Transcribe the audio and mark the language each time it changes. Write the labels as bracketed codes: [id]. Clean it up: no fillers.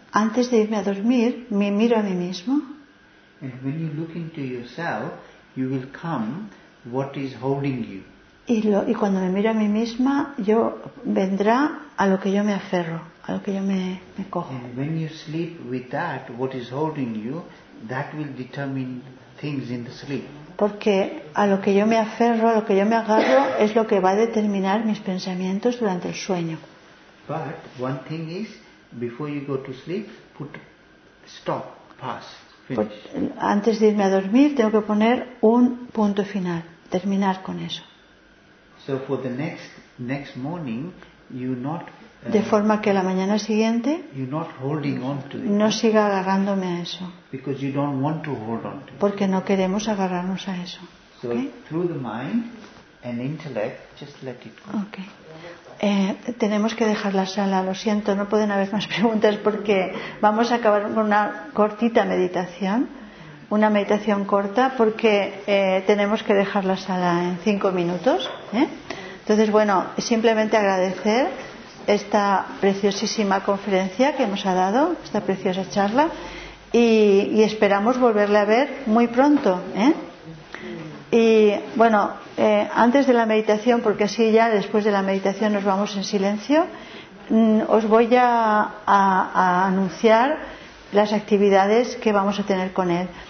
[es] Antes de irme a dormir, me miro a mí mismo. [en] And when you look into yourself, you will come what is holding you. [es] Y cuando me miro a mí misma, yo vendrá a lo que yo me aferro, a lo que yo me cojo. [en] And when you sleep with that, what is holding you, that will determine things in the sleep. [es] Porque a lo que yo me aferro, a lo que yo me agarro, es lo que va a determinar mis pensamientos durante el sueño. [en] But one thing is, before you go to sleep, put stop, pass. [es] Antes de irme a dormir tengo que poner un punto final, terminar con eso. [en] So for the next morning, you not, [es] de forma que a la mañana siguiente [en] you not holding on to it, [es] no siga agarrándome a eso. [en] Because you don't want to hold on to it. [es] Porque no queremos agarrarnos a eso. [en] So okay? Through the mind and intellect, just let it go. Okay. [es] Tenemos que dejar la sala, lo siento, no pueden haber más preguntas porque vamos a acabar con una meditación corta porque tenemos que dejar la sala en 5 minutos, ¿eh? Entonces bueno, simplemente agradecer esta preciosísima conferencia que nos ha dado, esta preciosa charla, y esperamos volverle a ver muy pronto, ¿eh? Y bueno, antes de la meditación, porque así ya después de la meditación nos vamos en silencio, os voy a anunciar las actividades que vamos a tener con él.